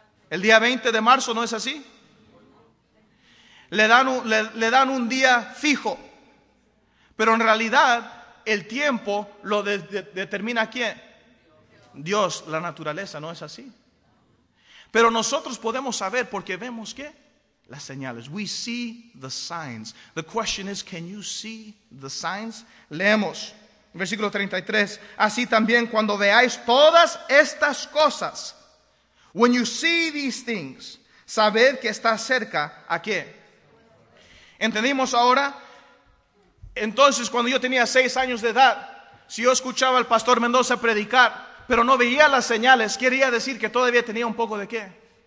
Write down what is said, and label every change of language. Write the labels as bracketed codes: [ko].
[es] ¿El día 20 de marzo, no es así? Le dan un día fijo. Pero en realidad, el tiempo lo determina ¿quién? Dios, la naturaleza, ¿no es así? Pero nosotros podemos saber porque vemos ¿qué? Las señales. [en] We see the signs. The question is, can you see the signs? [es] Leemos, versículo 33. Así también cuando veáis todas estas cosas, [en] when you see these things, [es] sabed que está cerca ¿a qué? ¿Entendimos ahora? Entonces, cuando yo tenía 6 años de edad, si yo escuchaba al pastor Mendoza predicar, pero no veía las señales, quería decir que todavía tenía un poco de qué.